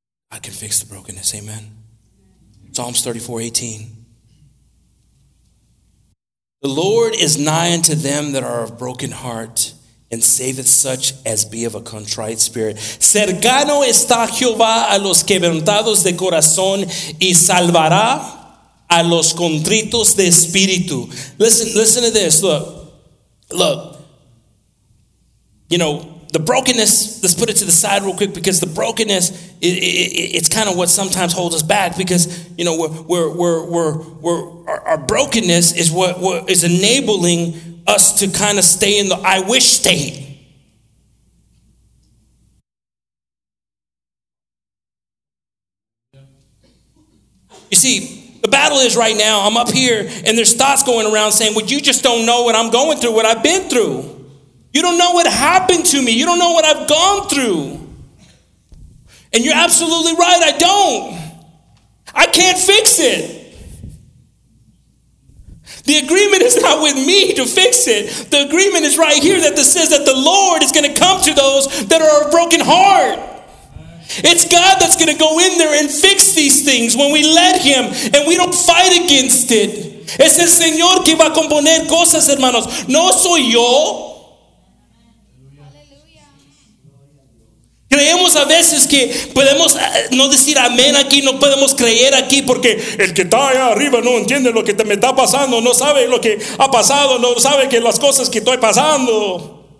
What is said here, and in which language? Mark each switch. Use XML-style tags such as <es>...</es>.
<en>God can fix the brokenness. Amen. Psalms 34:18. The Lord is nigh unto them that are of broken heart, and saveth such as be of a contrite spirit.</en> <es>Cercano está Jehová a los quebrantados de corazón, y salvará a los contritos de espíritu.</es> <en>Listen to this. Look. You know, the brokenness, let's put it to the side real quick, because the brokenness, it's kind of what sometimes holds us back, because, you know, our brokenness is what is enabling us to kind of stay in the I wish state. You see, the battle is right now. I'm up here and there's thoughts going around saying, well, you just don't know what I'm going through, what I've been through. You don't know what happened to me. You don't know what I've gone through. And you're absolutely right. I don't. I can't fix it. The agreement is not with me to fix it. The agreement is right here that says that the Lord is going to come to those that are of broken heart. It's God that's going to go in there and fix these things when we let him and we don't fight against it.</en> <es>Es el Señor que va a componer cosas, hermanos. No soy yo. Creemos a veces que podemos no decir amén aquí, no podemos creer aquí porque el que está allá arriba no entiende lo que me está pasando, no sabe lo que ha pasado, no sabe que las cosas que estoy pasando.</es>